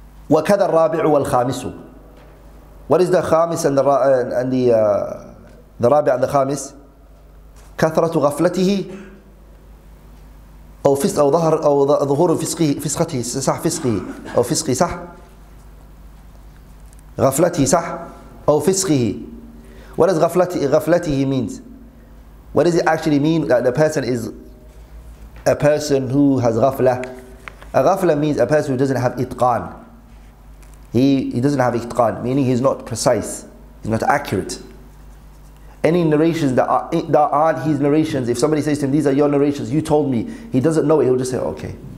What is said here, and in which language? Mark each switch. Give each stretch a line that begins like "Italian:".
Arabic: وَكَذَا الرَّابِعُ وَالْخَامِسُ.
English: What is the khamis and the rabi' and the khamis?
Arabic: كَثْرَةُ غَفْلَتِهِ أو فِسْ أو ظهر أو ظهور فِسْقَتِهِ صح فِسْقِهِ أو فِسْقِهِ صح غَفْلَتِهِ صح أو فِسْقِهِ.
English: What does غَفْلَتِهِ means? What does it actually mean that the person is a person who has غَفْلَة? A غَفْلَة means a person who doesn't have إِتْقَان. He doesn't have itqan, meaning he's not precise, he's not accurate. Any narrations that aren't his narrations, if somebody says to him, these are your narrations, you told me, he doesn't know it, he'll just say, okay.